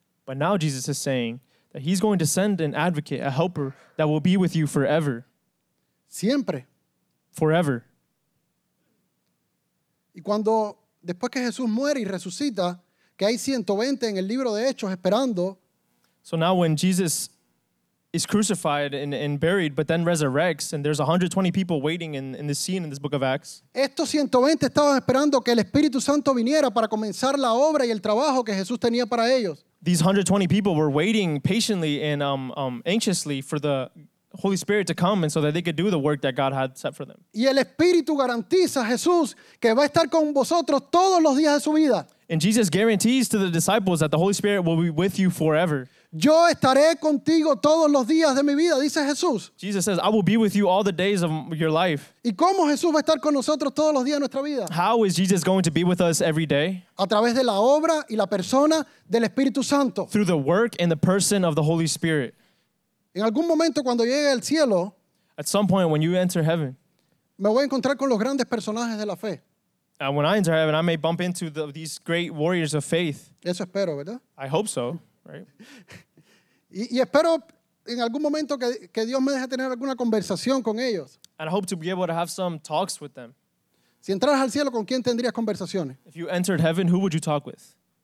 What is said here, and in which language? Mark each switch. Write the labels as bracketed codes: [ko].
[en] But now Jesus is saying that he's going to send an advocate, a helper, that will be with you forever. [es] Siempre. [en] Forever. [es] Y cuando, después que Jesús muere y resucita, que hay 120 en el libro de Hechos esperando. [en] So now when Jesus is crucified and buried, but then resurrects, and there's 120 people waiting in this scene in this book of Acts. [es] Estos 120 estaban esperando que el Espíritu Santo viniera para comenzar la obra y el trabajo que Jesús tenía para ellos. [en] These 120 people were waiting patiently and anxiously for the Holy Spirit to come and so that they could do the work that God had set for them. [es] Y el Espíritu garantiza a Jesús que va a estar con vosotros todos los días de su vida. [en] And Jesus guarantees to the disciples that the Holy Spirit will be with you forever. [es] Yo estaré contigo todos los días de mi vida, dice Jesús. [en] Jesus says, I will be with you all the days of your life. [es] ¿Y cómo Jesús va a estar con nosotros todos los días de nuestra vida? [en] How is Jesus going to be with us every day? [es] A través de la obra y la persona del Espíritu Santo. [en] Through the work and the person of the Holy Spirit. [es] En algún momento cuando llegue al cielo, [en] at some point when you enter heaven, [es] me voy a encontrar con los grandes personajes de la fe. [en] And when I enter heaven, I may bump into these great warriors of faith. [es] Eso espero, ¿verdad? [en] I hope so, right? [es] Y espero en algún momento que Dios me deje tener alguna conversación con ellos. [en] And I hope to be able to have some talks with them. [es] Si entras al cielo, ¿con quién tendrías conversaciones? [en] If you entered heaven, who would you talk with?